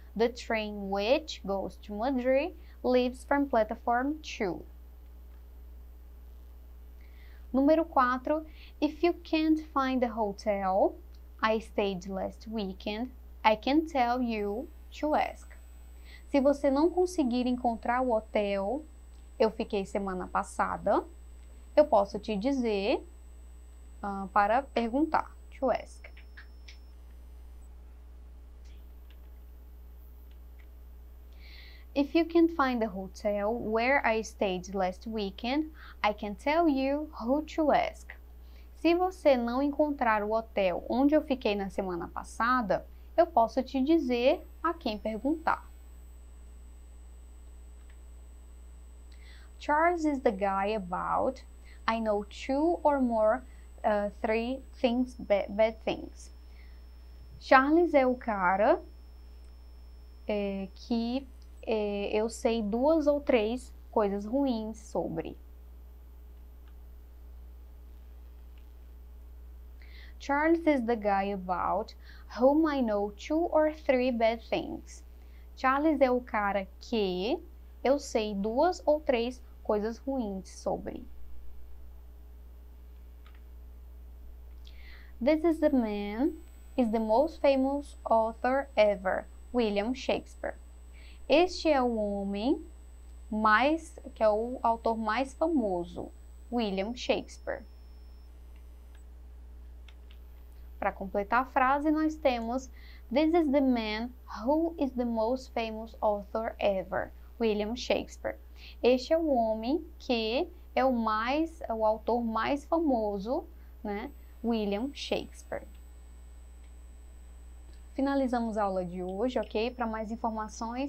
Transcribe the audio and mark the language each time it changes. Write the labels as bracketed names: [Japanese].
[English] The train which goes to Madrid leaves from platform 2. [Portuguese] Número 4. [English] If you can't find a hotel I stayed last weekend, I can tell you to ask. [Portuguese] Se você não conseguir encontrar o hotel eu fiquei semana passada, eu posso te dizer para perguntar. [English] To ask. If you can't find the hotel where I stayed last weekend, I can tell you who to ask. [Portuguese] Se você não encontrar o hotel onde eu fiquei na semana passada, eu posso te dizer a quem perguntar. [English] Charles is the guy about, I know two or more, three things, bad things. [Portuguese] Charles é o cara que eu sei duas ou três coisas ruins sobre. [English] Charles is the guy about whom I know two or three bad things. [Portuguese] Charles é o cara que eu sei duas ou três coisas ruins sobre. [English] This is the man is the most famous author ever, William Shakespeare. [Portuguese] Este é o homem mais, que é o autor mais famoso, William Shakespeare. Para completar a frase, nós temos [English] This is the man who is the most famous author ever, [Portuguese] William Shakespeare. Este é o homem que é o autor mais famoso, né? William Shakespeare. Finalizamos a aula de hoje, ok? Para mais informações, acessem a plataforma Eduque. [English] Bye bye, see you next class.